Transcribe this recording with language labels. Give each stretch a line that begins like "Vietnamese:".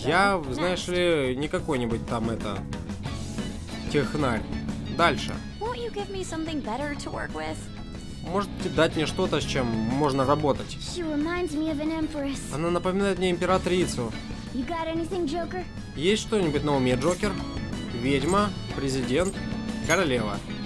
Russian: though. Я, знаешь ли, не какой-нибудь там это... технарь. Дальше.
English: Won't you give me something better to work with?
Russian: Можете дать мне что-то, с чем можно работать?
English: She reminds me of an empress.
Russian: Она напоминает мне императрицу.
English: You got anything, Joker?
Russian: Есть что-нибудь на уме, Джокер? Ведьма, президент, королева.